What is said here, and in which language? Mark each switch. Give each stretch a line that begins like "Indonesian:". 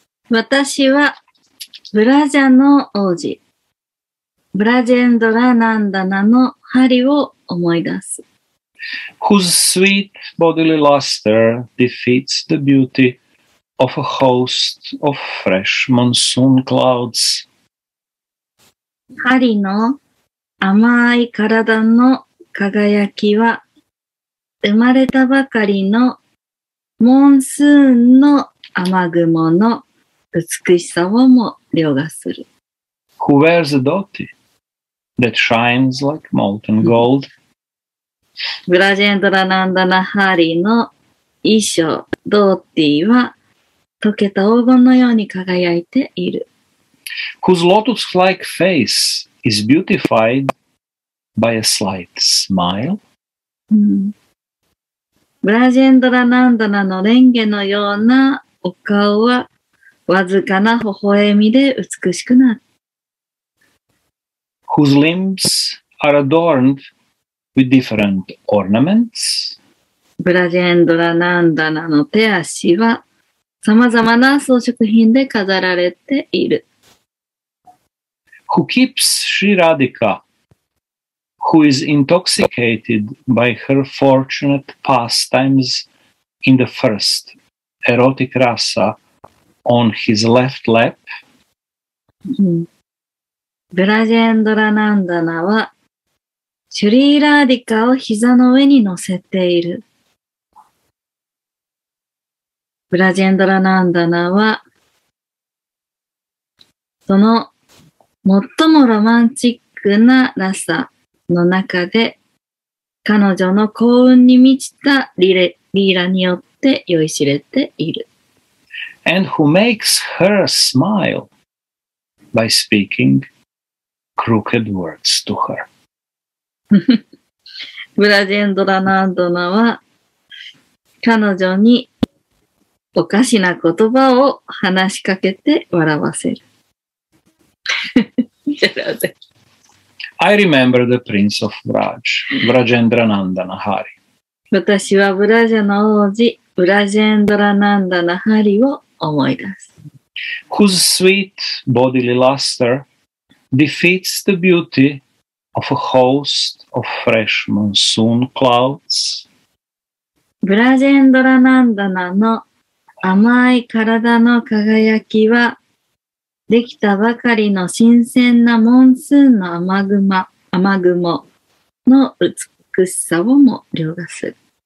Japanese: 私はブラジャの王子、ブラジェンドラナンダナのハリを思い出す。
English: Whose sweet bodily luster defeats the beauty. Of a host of fresh monsoon clouds.
Japanese: ハリの甘い体の輝きは生まれたばかりのモンスーンの雨雲の美しさをも凌駕する。
English: Who wears a dhoti that shines like molten gold?
Japanese: ブラジェンドラナンダナハリの衣装、ドーティは溶けた黄金のように輝いている。
English: Whose lotus-like face is beautified by a slight smile?、
Japanese: うん、ブラジェンドラナンダナのレンゲのようなお顔はわずかな微笑みで美しくなる。
English: Whose limbs are adorned with different ornaments?
Japanese: ブラジェンドラナンダナの手足はさまざまな装飾品で飾られている。
English: Who keeps Sri Radhika, who is intoxicated by her fortunate pastimes in the first erotic rasa on his left lap?
Japanese: ブラジェンドラナンダナは、シュリー・ラディカを膝の上に乗せている。ブラジェンドラナンダナはその最もロマンチックなラサの中で彼女の幸運に満ちたリーラによって酔いしれている。
English: And who makes her smile by speaking crooked words to her.
Japanese: ブラジェンドラナンダナは彼女におかしな言葉を話しかけて笑わせる。
English: I remember the prince of Vraj, Vrajendra Nandana Hari.
Japanese: 私はブラジャの王子、ブラジェンドラナンダナハリを思い出す。
English: Whose sweet bodily luster defeats the beauty of a host of fresh monsoon clouds?
Japanese: ブラジェンドラナンダナの甘い体の輝きは、できたばかりの新鮮なモンスーンの雨雲の美しさをも凌駕する。